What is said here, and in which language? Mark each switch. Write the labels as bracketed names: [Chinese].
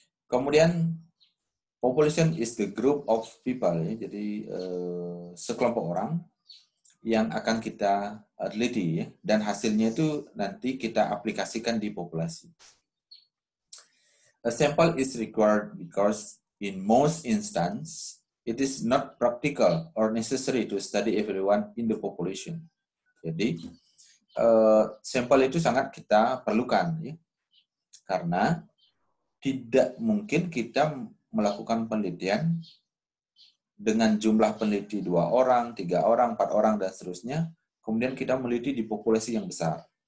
[English] Kemudian population is the group of people, ya. [Indonesian] Jadi sekelompok orang yang akan kita teliti, ya, dan hasilnya itu nanti kita aplikasikan di populasi. [English] A sample is required because in most instances it is not practical or necessary to study everyone in the population. [Indonesian] Jadi sampel itu sangat kita perlukan, ya, karena tidak mungkin kita melakukan penelitian dengan jumlah peneliti 2 orang, 3 orang, 4 orang, dan seterusnya, kemudian kita meneliti di populasi yang besar.